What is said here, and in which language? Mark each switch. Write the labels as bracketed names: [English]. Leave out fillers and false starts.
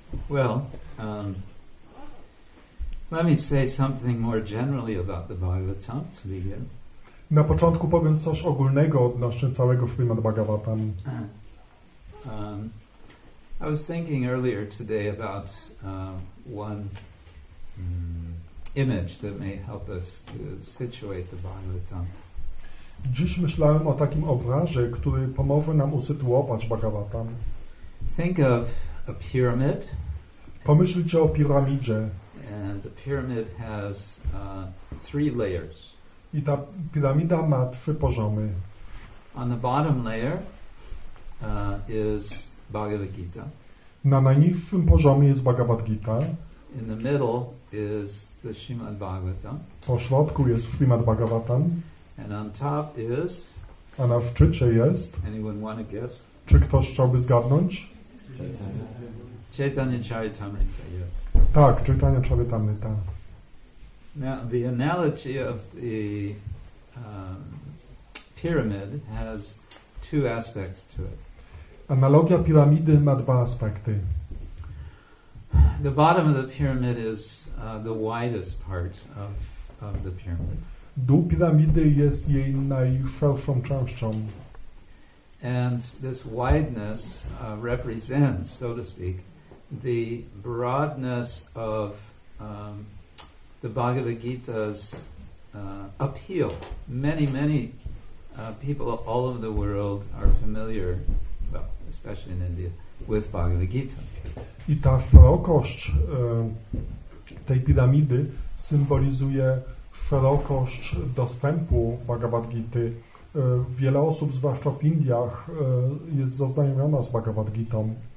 [English] Well, let me say something more generally about the Bhagavatam to begin. [Polish] Na początku powiem coś ogólnego odnośnie całego Śrimad Bhagavatam. [English] I was thinking earlier today about one image that may help us to situate the Bhagavatam. [Polish] Dziś myślałem o takim obrazie, który pomoże nam usytuować Bhagavatam. [English] Think of a pyramid. [Polish] Pomyślcie o piramidzie. [English] And the pyramid has three layers. [Polish] I ta piramida ma trzy poziomy. [English] On the bottom layer is Bhagavad Gita. [Polish] Na najniższym poziomie jest Bhagavad Gita. [English] In the middle is the Srimad Bhagavatam. [Polish] Po środku jest Srimad Bhagavatam. [English] And on top is. [Polish] A na szczycie jest. [English] Anyone want to guess? [Polish] Czy ktoś chciałby zgadnąć? [English] Chaitanya Charitamrita, yes. [Polish] Tak, Chaitanya Charitamrita. [English] Now the analogy of the pyramid has two aspects to it. [Polish] Analogia piramidy ma dwa aspekty. [English] The bottom of the pyramid is the widest part of the pyramid. [Polish] Dół piramidy jest jej najszerszą częścią. [English] And this wideness represents, so to speak, the broadness of the Bhagavad Gita's appeal. Many, many people all over the world are familiar, well, especially in India, with Bhagavad Gita. [Polish] I ta szerokość tej piramidy symbolizuje szerokość dostępu Bhagavad Gity. Wiele osób, zwłaszcza w Indiach, jest zaznajomiona z Bhagavad Gitą.